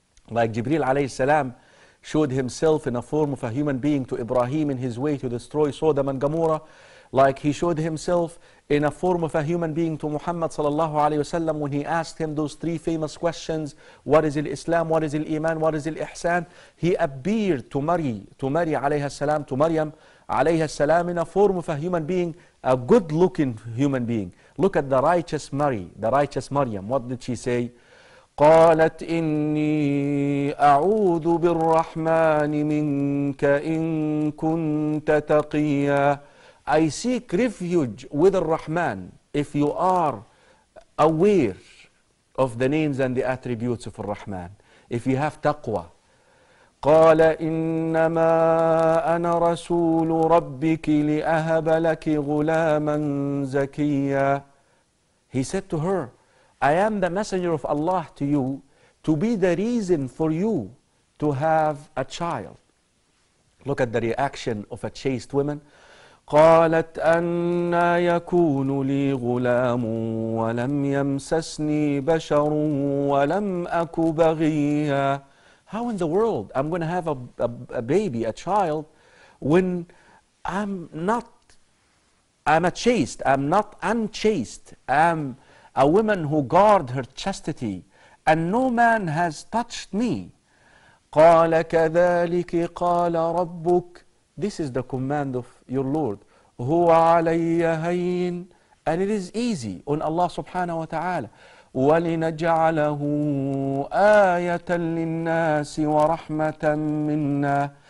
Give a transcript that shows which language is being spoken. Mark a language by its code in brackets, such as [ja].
[en] Like Jibreel alayhi salam showed himself in a form of a human being to Ibrahim in his way to destroy Sodom and Gomorrah, like he showed himself in a form of a human being to Muhammad sallallahu alayhi wasallam when he asked him those three famous questions: what is al-Islam, what is al-Iman, what is al-Ihsan. He appeared to Mary alayha salam, to Maryam alayha salam, in a form of a human being, a good looking human being. Look at the righteous Mary, the righteous Maryam. What did she say? [ar] قالت إني أعوذ بالرحمن منك إن كنت تقيا. [en] I seek refuge with Ar-Rahman if you are aware of the names and the attributes of Ar-Rahman, if you have taqwa. [ar] قال إنما أنا رسول ربك لأهب لك غلاما زكيا. [en] He said to her, I am the messenger of Allah to you to be the reason for you to have a child. Look at the reaction of a chaste woman. [ar] قالت أنى يكون لي غلام ولم يمسسني بشر ولم أك بغيا. [en] How in the world I'm going to have a baby, a child, when I'm a woman who guard her chastity, and no man has touched me. [ar] قال كذلك قال ربك. [en] This is the command of your Lord. [ar] هو علي هين. [en] And it is easy on Allah subhanahu wa ta'ala. [ar] ولنجعله آية للناس ورحمة منا.